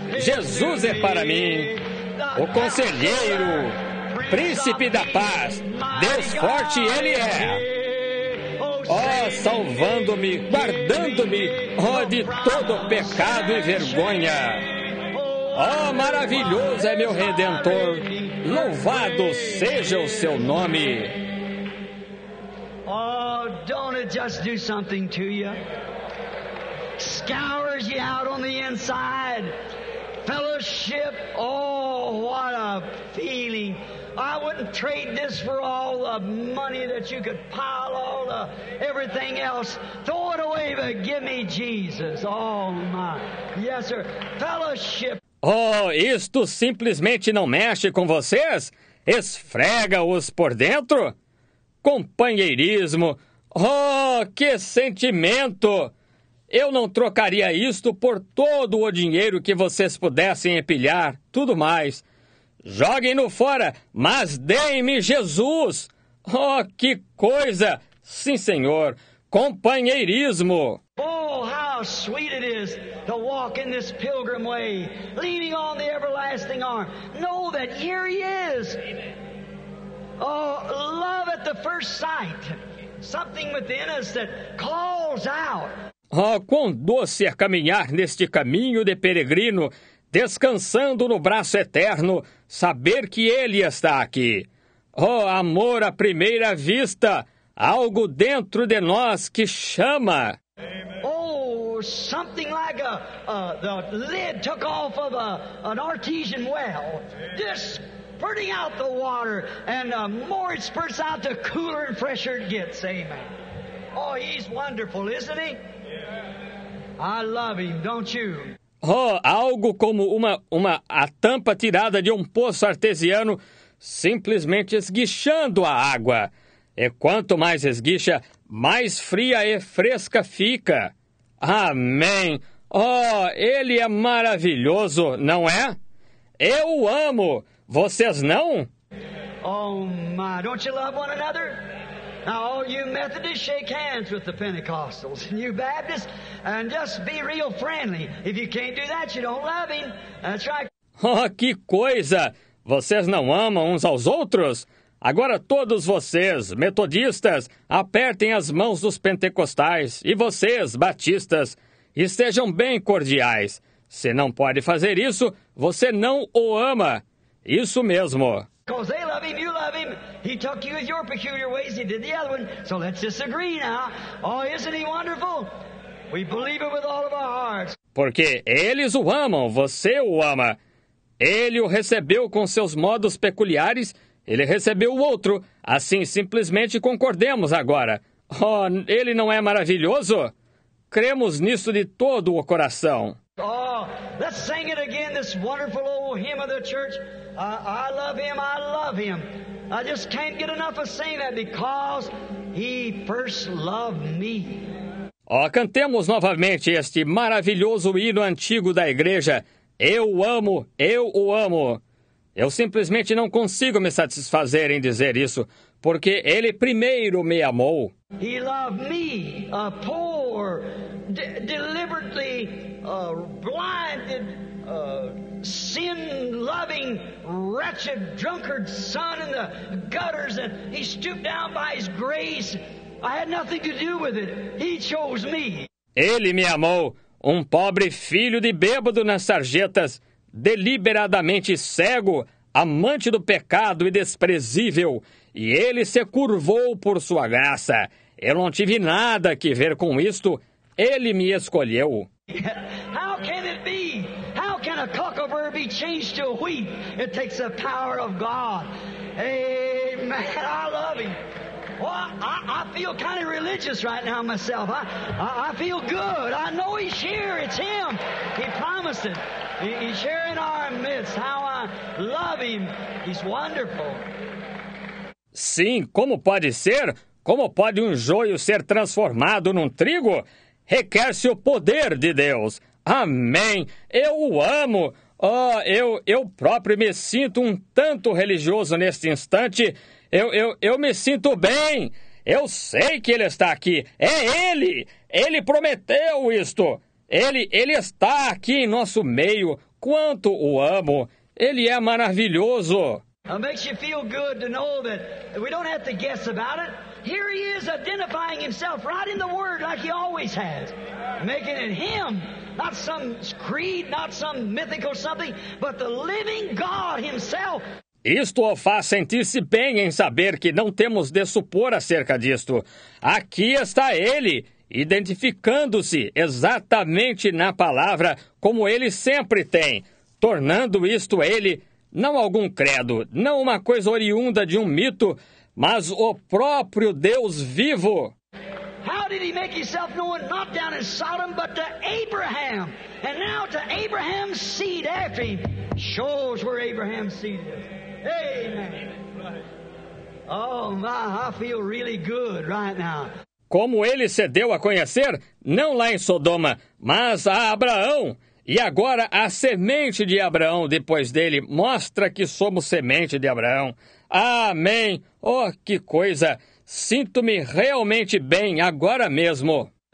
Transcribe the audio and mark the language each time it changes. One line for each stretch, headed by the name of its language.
Portuguese: Jesus é para mim. O conselheiro, príncipe da paz. Deus forte ele é. Oh, salvando-me, guardando-me. Oh, de todo pecado e vergonha. Oh, maravilhoso é meu Redentor. Louvado seja o seu nome.
English: Oh, don't it just do something to you? Scours you out on the inside. Fellowship, oh, what a feeling. I wouldn't trade this for all the money that you could pile, all the everything else. Throw it away, but give me Jesus. Oh, my. Yes, sir. Fellowship.
Portuguese: Oh, isto simplesmente não mexe com vocês? Esfrega-os por dentro? Companheirismo! Oh, que sentimento! Eu não trocaria isto por todo o dinheiro que vocês pudessem empilhar, tudo mais. Joguem-no fora, mas deem-me Jesus! Oh, que coisa! Sim, senhor! Companheirismo!
English: Oh, how sweet it is to walk in this pilgrim way, leaning on the everlasting arm. Know that here he is. Oh, love at the first sight. Something within us that calls out.
Portuguese: Oh, quão doce é caminhar neste caminho de peregrino, descansando no braço eterno, saber que ele está aqui. Oh, amor à primeira vista, algo dentro de nós que chama.
English: Oh, something like the lid took off of an artesian well, just spurting out the water, and the more it spurts out, the cooler and fresher it gets. Amen. Oh, he's wonderful, isn't he? I love him, don't you?
Portuguese: Oh, algo como a tampa tirada de um poço artesiano, simplesmente esguichando a água. E quanto mais esguicha, mais fria e fresca fica. Amém. Oh, ele é maravilhoso, não é? Eu o amo. Vocês não?
English: Oh, my. Don't you love one another? Now, all you Methodists, shake hands with the Pentecostals. And you Baptists, and just be real friendly. If you can't do that, you don't love him. That's right.
Portuguese: Oh, que coisa. Vocês não amam uns aos outros? Agora todos vocês, metodistas, apertem as mãos dos pentecostais e vocês, batistas, estejam bem cordiais. Se não pode fazer isso, você não o ama. Isso mesmo.
English: Because they love him, you love him. He took you with your peculiar ways, he did the other one. So let's disagree now. Oh, isn't he wonderful? We believe it with all of our hearts.
Portuguese: Porque eles o amam, você o ama. Ele o recebeu com seus modos peculiares. Ele recebeu o outro, assim simplesmente concordemos agora. Oh, ele não é maravilhoso? Cremos nisso de todo o coração.
English: Oh, let's sing it again, this wonderful old hymn of the church. I love him, I love him. I just can't get enough of saying that because he first loved me.
Portuguese: Oh, cantemos novamente este maravilhoso hino antigo da igreja. Eu o amo, eu o amo. Eu simplesmente não consigo me satisfazer em dizer isso, porque ele primeiro me amou.
English: He loved me, a poor, deliberately blinded, sin-loving, wretched, drunkard son in the gutters, and he stooped down by his grace. I had nothing to do with it. He chose me.
Portuguese: Ele me amou, um pobre filho de bêbado nas sarjetas, deliberadamente cego, amante do pecado e desprezível. E ele se curvou por sua graça. Eu não tive nada que ver com isto. Ele me escolheu.
English: How can it be? How can a cockleburr be changed to a wheat? It takes the power of God. Amen. I love him. Well, I feel kind of religious right now myself. I feel good. I know he's here. It's him. He promised it. He's here in our midst. How I love him. He's wonderful.
Portuguese: Sim, como pode ser? Como pode um joio ser transformado num trigo? Requer-se o poder de Deus. Amém! Eu o amo! Oh, eu próprio me sinto um tanto religioso neste instante. Eu me sinto bem! Eu sei que ele está aqui! É ele! Ele prometeu isto! Ele está aqui em nosso meio! Quanto o amo! Ele é maravilhoso!
English: It makes you feel good to know that we don't have to guess about it. Here he is identifying himself right in the Word like he always has. Making it him, not some creed, not some mythical something, but the living God himself.
Portuguese: Isto o faz sentir-se bem em saber que não temos de supor acerca disto. Aqui está ele, identificando-se exatamente na palavra como ele sempre tem, tornando isto ele. Não algum credo, não uma coisa oriunda de um mito, mas o próprio Deus vivo.
English: How did he make himself known not down in Sodom, but to Abraham? And now to Abraham's seed after him. Shows where Abraham's seed is. Amen. Oh my, I feel really good right now.
Portuguese: Como ele se deu a conhecer, não lá em Sodoma, mas a Abraão. E agora a semente de Abraão, depois dele, mostra que somos semente de Abraão. Amém! Oh, que coisa! Sinto-me realmente bem agora mesmo.